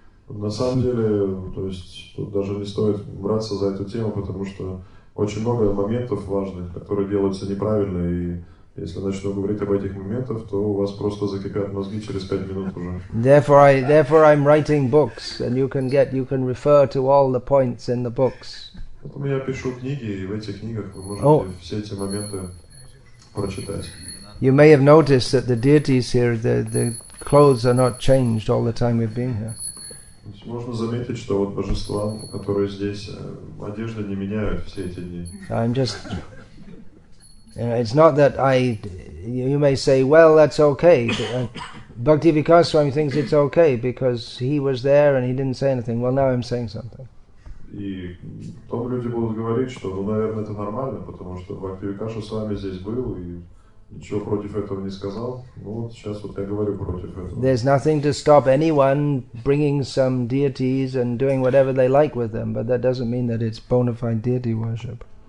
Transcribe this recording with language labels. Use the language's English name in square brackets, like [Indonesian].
[Russian] На самом деле, то есть, тут даже не стоит браться за эту тему, потому что очень много моментов важных, которые делаются неправильно, и если начну говорить об этих моментах, то у вас просто закипят мозги через 5 минут уже. [English] Therefore I'm writing books, and you can refer to all the points in the books. [Russian] Вот у меня пишу книги, и в этих книгах вы можете все эти моменты прочитать. [English] You may have noticed that the deities here, the clothes are not changed all the time we've been here. [Russian] Можно заметить, что вот божества, которые здесь, одежды не меняют все эти дни. [English] I'm just... It's not that you may say, well, that's okay. Bhakti Vikas Swami thinks it's okay because he was there and he didn't say anything. Well, now I'm saying something. [Russian] И потом люди будут говорить, что, ну, наверное, это нормально, потому что Бхакти Викаша Свами здесь был, и ничего против этого не сказал. Ну вот сейчас вот я говорю против этого. [English] There's nothing to stop anyone bringing some deities and doing whatever they like with them, but that doesn't mean that it's bona fide deity worship.